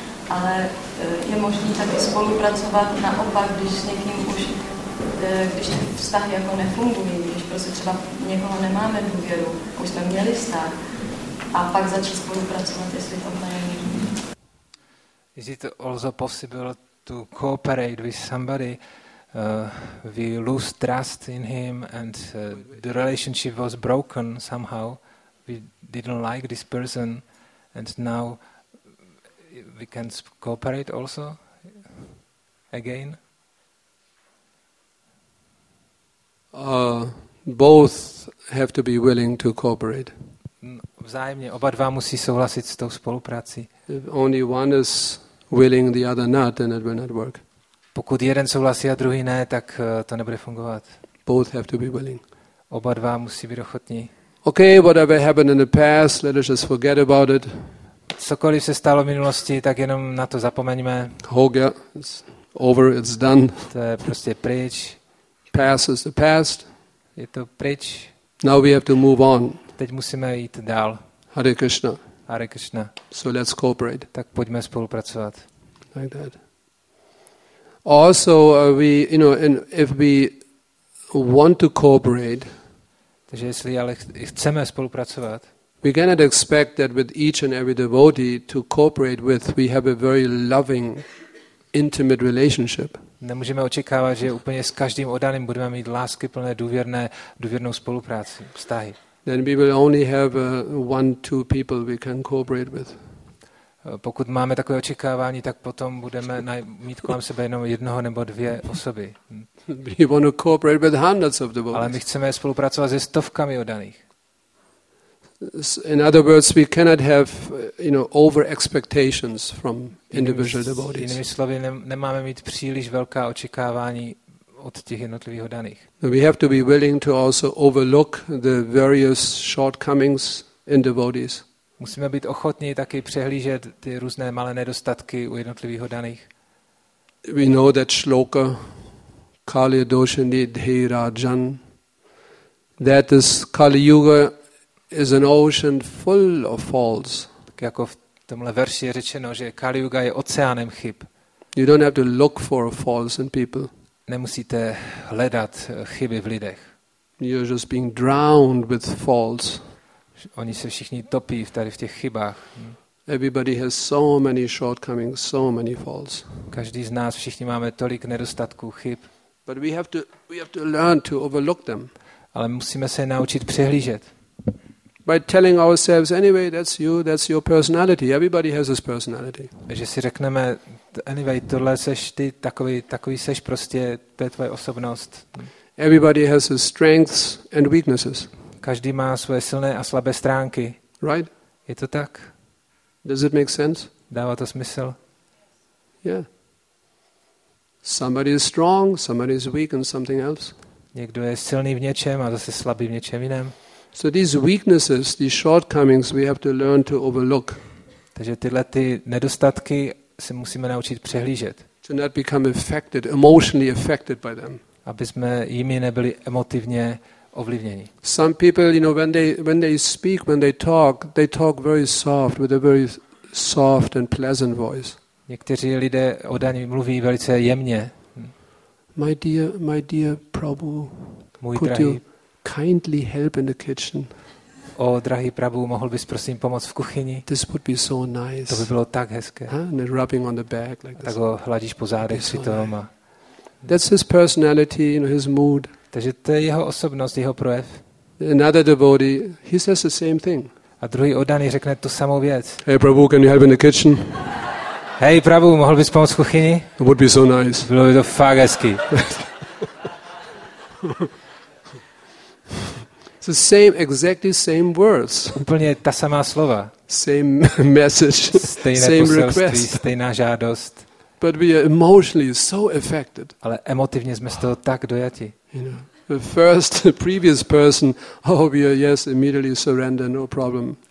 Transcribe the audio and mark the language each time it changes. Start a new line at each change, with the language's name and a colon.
Czech: Ale je možné taky spolupracovat naopak, když s někým už, když ty vztahy jako nefungují, když prostě třeba někoho nemáme důvěru, už jsme měli vztah, a pak začít spolupracovat, jestli to není.
English: Is it also possible to cooperate with somebody? We lose trust in him and the relationship was broken somehow. We didn't like this person and now we can cooperate also again. Both have to be willing to cooperate.
Czech: Vzájemně oba dva musí souhlasit s tou spoluprací.
English: If only one is willing, the other not, then it will not work.
Czech: Pokud jeden souhlasí a druhý ne, tak to nebude fungovat.
English: Both have to be willing.
Czech: Oba dva musí být ochotní.
English: Okay, whatever happened in the past, let us just forget about it.
Czech: Cokoliv se stalo v minulosti, tak jenom na to zapomeňme.
English: Hoga, it's over, it's done.
Czech: To je prostě pryč.
English: Past is the past.
Czech: Je to pryč.
English: Now we have to move on.
Czech: Teď musíme jít dál.
Sanskrit: Hare Krishna. Hare Krishna.
English: So let's cooperate.
Czech: Tak pojďme spolupracovat.
English: Like that. Also, we, you know, and if we want to cooperate,
Czech: takže jestli ale chceme spolupracovat,
English: we cannot expect that with each and every devotee to cooperate with, we have a very loving, intimate relationship.
Czech: Nemůžeme očekávat, že úplně s každým oddaným budeme mít láskyplné, důvěrnou spolupráci, vztahy.
English: Then we will only have one, two people we can cooperate with.
Czech: Pokud máme takové očekávání, tak potom budeme mít kolem sebe jenom jednoho nebo dvě osoby.
English: We want to cooperate with hundreds of devotees.
Czech: Ale my chceme spolupracovat se stovkami oddaných.
English: In other words, we cannot have, you know, over expectations from individual devotees.
Czech: Jinými slovy, nemáme mít příliš velká očekávání od těch jednotlivých oddaných.
English: We have to be willing to also overlook the various shortcomings in devotees.
Czech: Musíme být ochotní taky přehlížet ty různé malé nedostatky u jednotlivých oddaných.
English: We know that shloka Kali Doshani Dhirajan, that is Kali Yuga is an ocean full of faults.
Czech: Tak jako v tomhle verši je řečeno, že Kali Yuga je oceánem chyb.
English: You don't have to look for faults in people.
Czech: Nemusíte hledat chyby v lidech.
English: You're just being drowned with faults.
Czech: Oni se všichni topí tady v těch chybách.
English: Everybody has so many shortcomings, so many faults.
Czech: Každý z nás, všichni máme tolik nedostatků, chyb.
English: But we have to learn to overlook them.
Czech: Ale musíme se naučit přehlížet.
English: By telling ourselves anyway, that's your personality. Everybody has his personality.
Czech: Že si řekneme
English: anyway,
Czech: tohle seš ty, takový seš prostě, to je tvoje osobnost.
English: Everybody has his strengths and weaknesses.
Czech: Každý má svoje silné a slabé stránky.
English: Right?
Czech: Je to tak?
English: Does it make sense?
Czech: Dává to smysl?
English: Yeah. Somebody is strong, somebody is weak in something else.
Czech: Někdo je silný v něčem a zase slabý v něčem jiném.
English: So these weaknesses, these shortcomings, we have to learn to overlook.
Czech: Takže tyhle ty nedostatky se musíme naučit přehlížet.
English: To not become affected, emotionally affected by them.
Czech: Aby jsme jimi nebyli emotivně ovlivnění.
English: Some people, you know, when they speak, when they talk very soft, with a very soft and pleasant voice.
Czech: Někteří lidé odaní mluví velice jemně.
English: My dear Prabhu,
Czech: můj
English: could
Czech: drahý,
English: you kindly help in the kitchen?
Czech: O drahý Prabhu, mohl bys prosím pomoct v kuchyni?
English: This would be so nice.
Czech: To by bylo tak hezké.
English: Huh? And rubbing on the back like this.
Czech: Tak ho hladíš po zádech přitom.
English: That's his personality, you know, his mood.
Czech: Takže to je jeho osobnost, jeho projev.
English: Another devotee, he says the same thing.
Czech: A druhý oddaný řekne tu samou věc.
English: Hey Prabhu, can you help in the kitchen?
Czech: Hey Prabhu, mohl bys pomoct v kuchyni?
English: It would be so nice.
Czech: Bylo by to fakt hezky.
English: It's the same, exactly same words.
Czech: Úplně ta samá slova.
English: Same message,
Czech: stejné
English: same
Czech: poselství,
English: request.
Czech: Stejná žádost.
English: But we are emotionally so affected.
Czech: Ale emotivně jsme z toho tak dojati.
English: You know, the first the previous person, oh yes, immediately surrender, no problem.